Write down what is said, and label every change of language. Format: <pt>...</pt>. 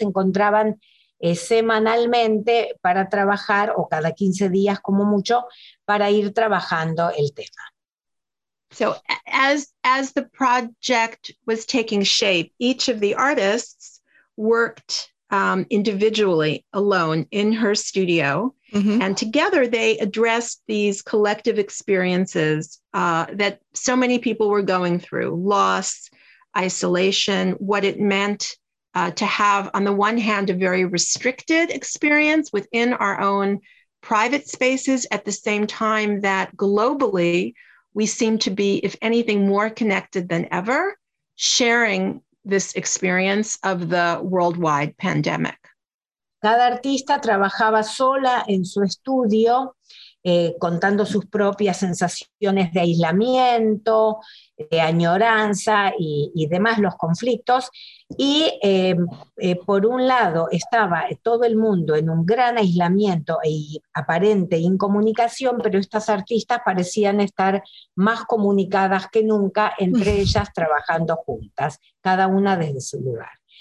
<es>Se encontraban semanalmente para trabajar, o cada 15 días como mucho, para ir trabajando el tema.</es> <en>So as the project was taking shape, each of the artists worked individually alone in her studio, mm-hmm. and together they addressed these collective experiences that so many people were going through: loss, isolation, what it meant to have, on the one hand, a very restricted experience within our own private spaces, at the same time that globally we seem to be, if anything, more connected than ever, sharing this experience of the worldwide pandemic.</en> <es>Cada artista trabajaba sola en su estudio, contando sus propias sensaciones de aislamiento, de añoranza y demás, los conflictos. Y por un lado estaba todo el mundo en un gran aislamiento y aparente incomunicación, pero estas artistas parecían estar más comunicadas que nunca, entre ellas trabajando juntas, cada una desde su lugar.</es>